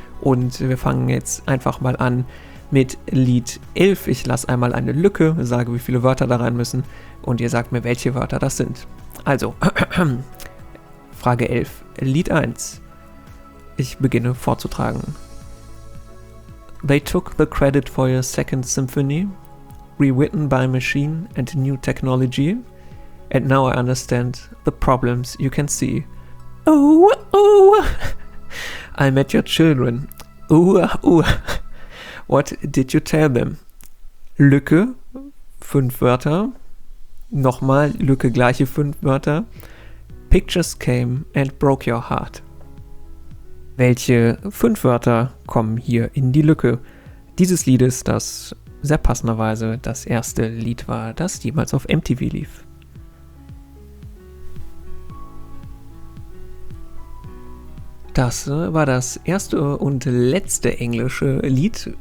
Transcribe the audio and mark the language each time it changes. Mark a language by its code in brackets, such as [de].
[de] Und wir fangen jetzt einfach mal an mit Lied 11. Ich lasse einmal eine Lücke, sage, wie viele Wörter da rein müssen und ihr sagt mir, welche Wörter das sind. Also, Frage 11, Lied 1. Ich beginne vorzutragen. [en] They took the credit for your second symphony, rewritten by machine and new technology, and now I understand the problems you can see. Oh, oh! I met your children. What did you tell them? [de] Lücke, 5 Wörter. Nochmal Lücke, gleiche 5 Wörter. [en] Pictures came and broke your heart. [de] Welche 5 Wörter kommen hier in die Lücke? Dieses Lied ist das sehr passenderweise das erste Lied war, das jemals auf MTV lief. Das war das erste und letzte englische Lied.